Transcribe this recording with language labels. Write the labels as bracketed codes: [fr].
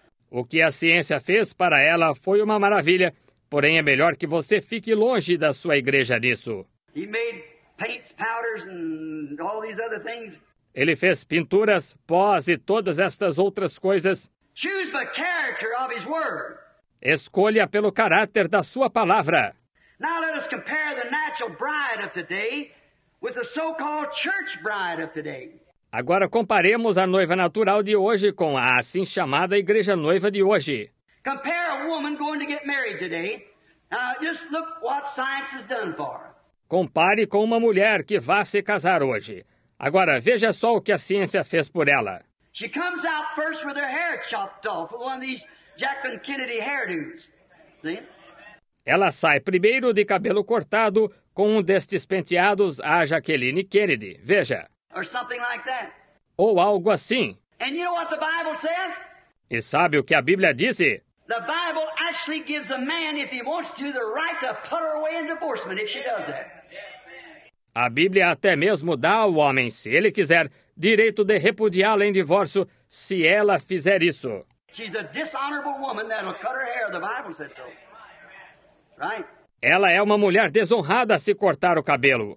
[pt] O que a ciência fez para ela foi uma maravilha, porém é melhor que você fique longe da sua igreja nisso. [en] Paints, powders, and all these other things. [pt] Ele fez pinturas, pós e todas estas outras coisas. [en] Choose the character of his word. [pt] Escolha pelo caráter da sua palavra. [en] Now let us compare the natural bride of today with the so-called church bride of today. [pt] Agora comparemos a noiva natural de hoje com a assim chamada igreja noiva de hoje. [en] Compare a woman going to get married today. Now, just look what science has done for her. [pt] Compare com uma mulher que vá se casar hoje. Agora, veja só o que a ciência fez por ela. [en] She comes out first with her hair chopped off, with one of these Jacqueline Kennedy hairdos. See? [pt] Ela sai primeiro de cabelo cortado com um destes penteados à Jacqueline Kennedy. Veja. [en] Or something like that. [pt] Ou algo assim. [en] And you know what the Bible says? [pt] E sabe o que a Bíblia diz? [en] The Bible actually gives a man, if he wants to, the right to put her away in divorcement if she does that. [pt] A Bíblia até mesmo dá ao homem, se ele quiser, direito de repudiá-la em divórcio se ela fizer isso. [en] She's a dishonorable woman that'll cut her hair, the Bible said so. Right? [pt] Ela é uma mulher desonrada se cortar o cabelo.